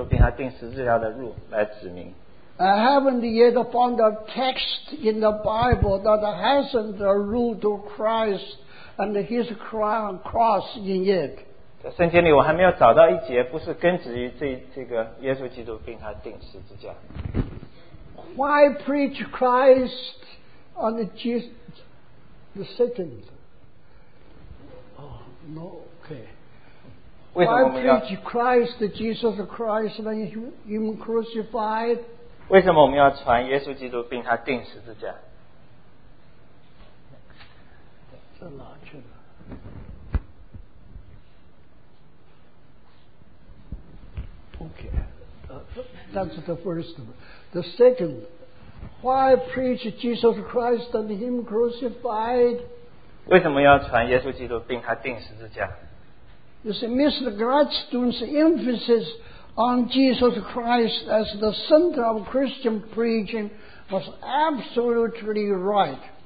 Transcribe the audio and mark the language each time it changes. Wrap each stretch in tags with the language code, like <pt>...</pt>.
<zh>他说当你选择经文并且来讲道的时候你的责任就是把那条通向耶稣基督并他钉十字架的路来指明。</zh> <en>I haven't yet found a text in the Bible that hasn't a route to Christ and His cross in it.</en> <zh>在圣经里我还没有找到一节不是根植于这个耶稣基督并他钉十字架。</zh> <en>Why preach Christ on Jesus the second? No, okay. Why preach Christ, Jesus Christ, and Him crucified?</en> <zh>为什么我们要传耶稣基督并他钉十字架?</zh> <en>Okay, that's the first one. The second, why preach Jesus Christ and Him crucified?</en> <zh>为什么要传耶稣基督并他钉十字架?</zh> <en>You see, Mr. Gladstone's emphasis on Jesus Christ as the center of Christian preaching was absolutely right.</en>